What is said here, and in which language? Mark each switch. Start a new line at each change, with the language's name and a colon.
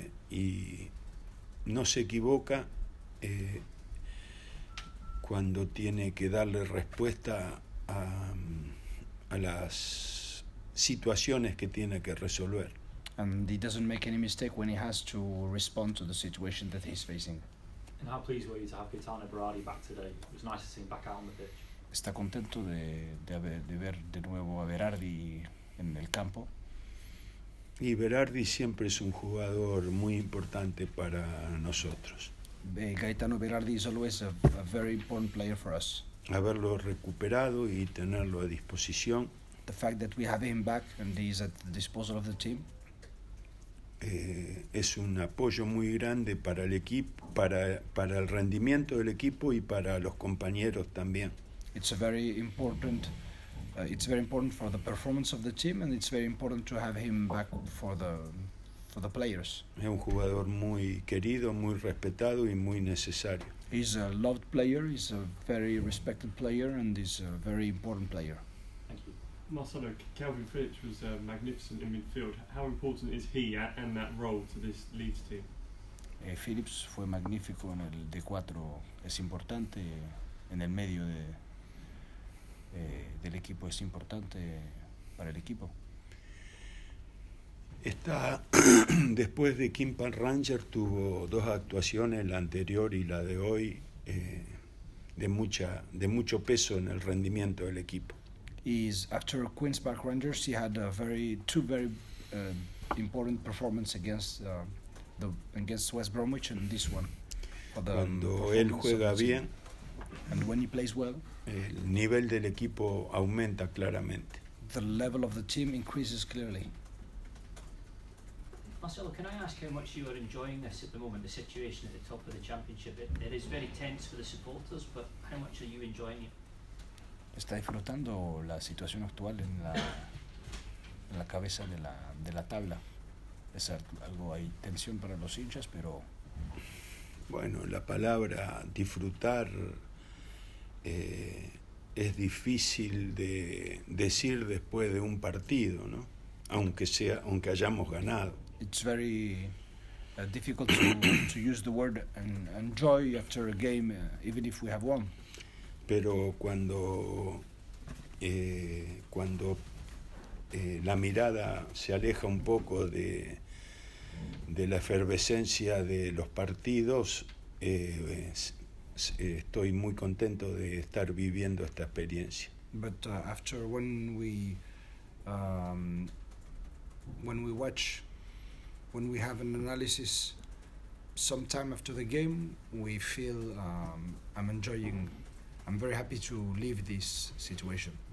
Spanish: Y no se equivoca cuando tiene que darle respuesta a las situaciones que tiene que resolver.
English: And he doesn't make any mistake when he has to respond to the situation that he's facing. And how pleased were you to have Gaetano Berardi back today? It was nice to see him back out on the pitch.
Spanish: Está contento de ver de nuevo a Berardi en el campo. Y Berardi siempre es un jugador muy importante para nosotros.
English: Gaetano Berardi is always a very important player for us.
Spanish: Haberlo recuperado y tenerlo a disposición.
English: The fact that we have him back and he's at the disposal of the team.
Spanish: Es un apoyo muy grande para el equipo, para el rendimiento del equipo y para los compañeros también.
English: It's a very important for the performance of the team and it's very important to have him back for the players.
Spanish: Es un jugador muy querido, muy respetado y muy necesario.
English: He's a loved player, he's a very respected player and he's a very important player. Marcelo, Calvin Phillips was magnificent in midfield. How important is he and that role to this Leeds team?
Spanish: Phillips fue magnífico en el D4. Es importante en el medio de del equipo. Es importante para el equipo. Está después de Kimpan Ranger tuvo dos actuaciones, la anterior y la de hoy, de mucho peso en el rendimiento del equipo.
English: Is after Queen's Park Rangers, he had two very important performances against West Bromwich and this one.
Spanish: Cuando él juega bien,
English: and when he plays well,
Spanish: el nivel del equipo aumenta claramente.
English: The level of the team increases clearly. Marcelo, can I ask how much you are enjoying this at the moment, the situation at the top of the Championship? It is very tense for the supporters, but how much are you enjoying it?
Spanish: Está disfrutando la situación actual en la cabeza de la tabla. Es algo, hay tensión para los hinchas, pero bueno, la palabra disfrutar es difícil de decir después de un partido, ¿no? Aunque sea, aunque hayamos ganado.
English: It's very difficult to use the word and enjoy after a game, even if we have won.
Spanish: Pero cuando la mirada se aleja un poco de la efervescencia de los partidos, estoy muy contento de estar viviendo esta experiencia.
English: But after when we have an analysis sometime after the game, we feel I'm very happy to leave this situation.